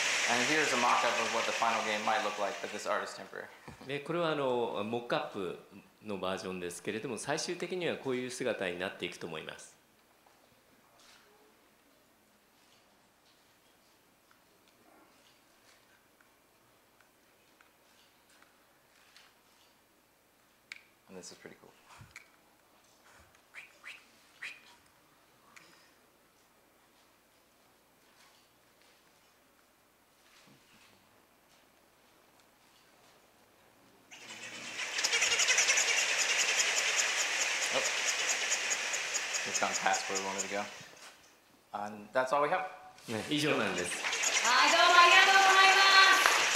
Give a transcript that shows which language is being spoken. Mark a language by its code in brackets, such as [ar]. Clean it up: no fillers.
[en] And here's a mock-up of what the final game might look like, but this artist temper. [ja] でこれはモックアップ。のバージョンですけれども最終的にはこういう姿になっていくと思います。 [en] And this is pretty cool. It's gone past where we wanted to go. And that's all we have. [ja] Yeah, 以上なんです。はい、どうもありがとうございます。